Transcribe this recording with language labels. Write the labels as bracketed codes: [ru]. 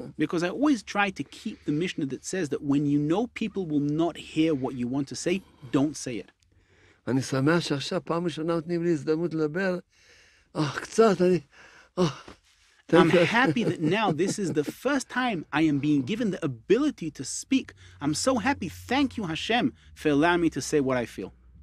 [en] Because I always try to keep the Mishnah that says that when you know people will not hear what you want to say, don't say it. [he] אני שמח שעכשיו פעם ראשונה נותנים לי הזדמנות לדבר. אך, קצת, אני... [en] I'm happy that now this is the first time I am being given the ability to speak. I'm so happy. Thank you, Hashem, for allowing me to say what I feel.